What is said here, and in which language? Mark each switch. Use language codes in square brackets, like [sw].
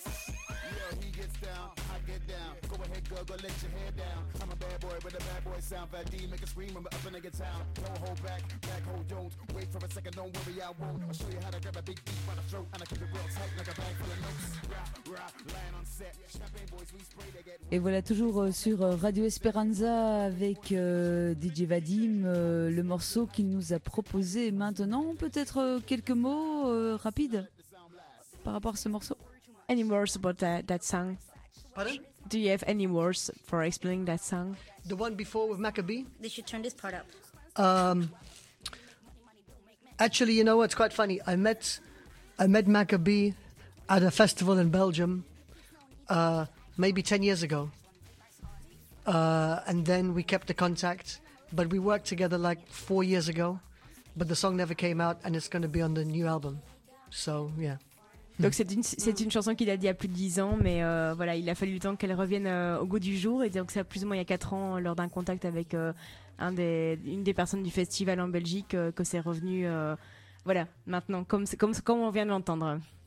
[en] Yo, he gets down. I get down. Go ahead, girl, go let your head down. I'm a bad boy with a bad boy sound. Vadim, make a scream. I'm up in the town. Don't hold back. Back hold, don't. Wait for a second. Don't worry, I won't. I'll show you how to grab a big beat by the throat. And I keep it real tight like a bag full of notes. Rah, rah, lying on set. Champagne boys, we spray to get... [fr] Et voilà, toujours sur Radio Esperanza avec DJ Vadim, le morceau qu'il nous a proposé maintenant. Peut-être quelques mots rapides par rapport à ce morceau. [en] Any words about that song? Pardon? Do you have any words for explaining that song? The one before with Maccabee? They should turn this part up. Actually, you know what? It's quite funny. I met Maccabee at a festival in Belgium maybe 10 years ago. And then we kept the contact. But we worked together like 4 years ago. But the song never came out and it's going to be on the new album. So, yeah. [fr] Donc c'est une chanson qui date d'il y a plus de 10 ans, mais voilà, il a fallu le temps qu'elle revienne au goût du jour. Et donc c'est plus ou moins il y a 4 ans, lors d'un contact avec une des personnes du festival en Belgique, que c'est revenu voilà, maintenant, comme on vient de l'entendre.